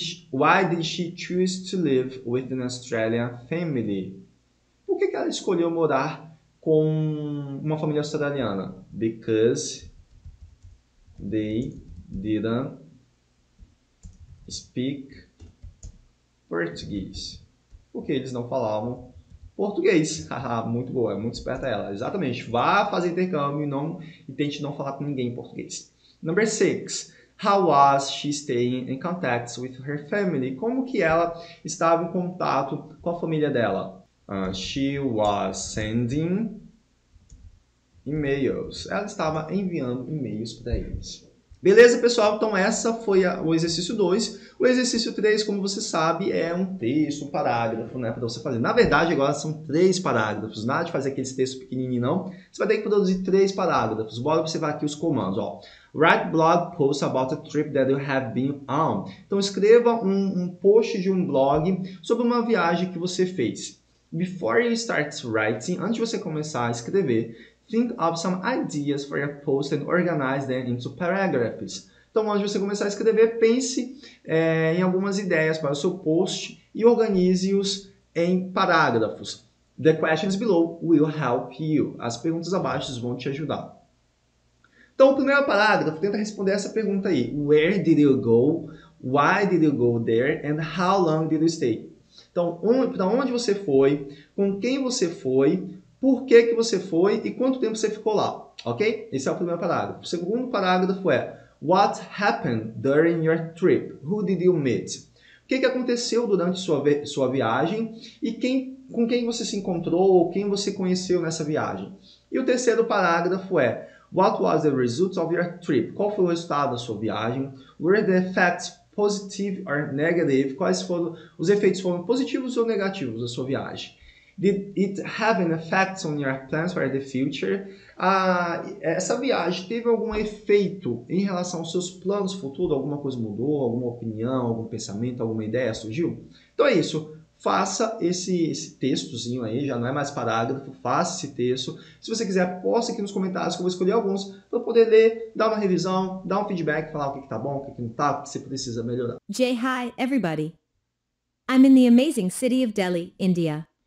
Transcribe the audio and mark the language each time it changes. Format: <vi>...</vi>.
<en>Why did she choose to live with an Australian family?</en> <pt>Por que ela escolheu morar com uma família australiana?</pt> <en>Because they didn't speak Portuguese.</en> <pt>Porque eles não falavam português. Muito boa, é muito esperta ela. Exatamente. Vá fazer intercâmbio e tente não falar com ninguém em português.</pt> <en>Number 6. How was she staying in contact with her family?</en> <pt>Como que ela estava em contato com a família dela?</pt> <en>She was sending emails.</en> <pt>Ela estava enviando e-mails para eles. Beleza, pessoal? Então, essa foi o exercício 2. O exercício 3, como você sabe, é um texto, um parágrafo, né, para você fazer. Na verdade, agora são 3 parágrafos. Nada de fazer aqueles textos pequenininhos, não. Você vai ter que produzir 3 parágrafos. Bora observar aqui os comandos, ó.</pt> <en>Write blog posts about a trip that you have been on.</en> <pt>Então, escreva um post de um blog sobre uma viagem que você fez.</pt> <en>Before you start writing,</en> <pt>antes de você começar a escrever,</pt> <en>think of some ideas for your post and organize them into paragraphs.</en> <pt>Então, antes de você começar a escrever, pense em algumas ideias para o seu post e organize-os em parágrafos.</pt> <en>The questions below will help you.</en> <pt>As perguntas abaixo vão te ajudar. Então, o primeiro parágrafo, tenta responder essa pergunta aí.</pt> <en>Where did you go? Why did you go there? And how long did you stay?</en> <pt>Então, para onde você foi? Com quem você foi? Por que que você foi e quanto tempo você ficou lá, ok? Esse é o primeiro parágrafo. O segundo parágrafo é</pt> <en>What happened during your trip? Who did you meet?</en> <pt>O que que aconteceu durante sua viagem e com quem você se encontrou ou quem você conheceu nessa viagem? E o terceiro parágrafo é</pt> <en>What was the result of your trip?</en> <pt>Qual foi o resultado da sua viagem?</pt> <en>Were the effects positive or negative?</en> <pt>Quais foram os efeitos foram positivos ou negativos da sua viagem?</pt> <en>Did it have an effect on your plans for the future?</en> <pt>Essa viagem teve algum efeito em relação aos seus planos futuros? Alguma coisa mudou? Alguma opinião? Algum pensamento? Alguma ideia surgiu? Então é isso. Faça esse textozinho aí. Já não é mais parágrafo. Faça esse texto. Se você quiser, posta aqui nos comentários que eu vou escolher alguns para poder ler, dar uma revisão, dar um feedback, falar o que está bom, o que não está, o que você precisa melhorar.</pt> <en>Jay, hi, everybody. I'm in the amazing city of Delhi, India.</en>